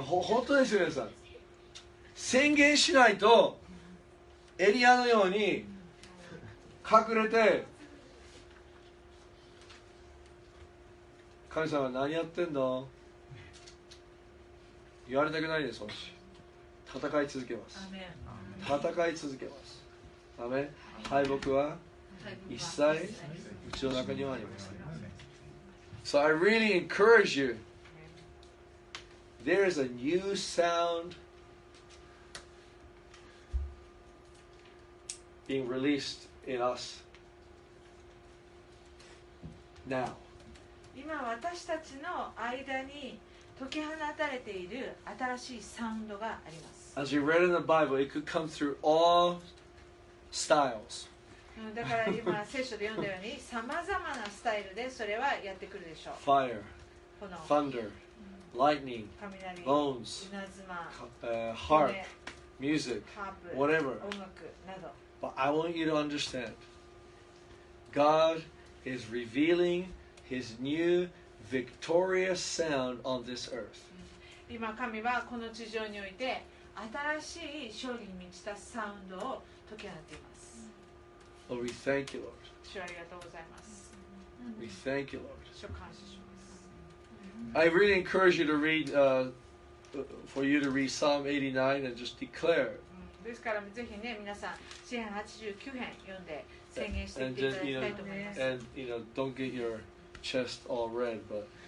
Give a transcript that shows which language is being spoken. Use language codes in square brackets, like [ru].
[ja] 本当ですよ皆さん、宣言しないとエリアのように隠れて神様は何やってんの言われたくないです。もし戦い続けます、戦い続けます。アメン。敗北は一切うちの中にはありません。 [en] So I really encourage you. There is a new sound being released in us now. [ja] 今私たちの間に解き放たれている新しいサウンドがあります。 [en] As you read in the Bible, it could come through all styles. [ja] だから今聖書で読んだようにさまざまなスタイルでそれはやってくるでしょう。 [en] Fire, thunder, lightning, [ja] 雷、 [en] bones, [ja] 稲妻、 [en] harp, music, whatever. [ja] 音楽など。 [en] But I want you to understand. God is revealing His new victorious sound on this earth. [ja] 今神はこの地上において新しい勝利に満ちたサウンドを解き放っています。 [en] Lord, we thank you, Lord. [ja] 主ありがとうございます。 [en] We thank you, Lord. [ja] 主を感謝します。 [en] I really encourage you to read, for you to read Psalm 89 and just declare. [ja] ですからぜひね、皆さん詩篇89編読んで宣言していただきたいと思います。 [en] And you know, don't get your chest all red, but.